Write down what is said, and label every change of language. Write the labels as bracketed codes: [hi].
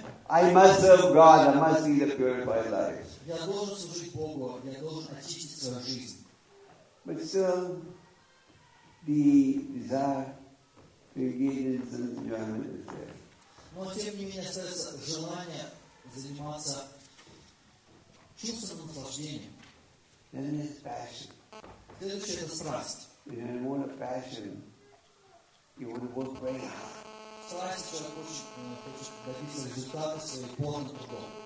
[en] I must serve God, I must lead a purified life. [ru] Я должен служить Богу, я должен очистить свою жизнь. [en] But still, the desire to engage in some enjoyment is there. [ru] Но тем не менее остается желание заниматься чувством наслаждения. [en] Then there's passion. [ru] Следующее это страсть. [en] If you want a passion, you want to work very hard. [ru] Страсть, человек хочет добиться результата своей полной трудом.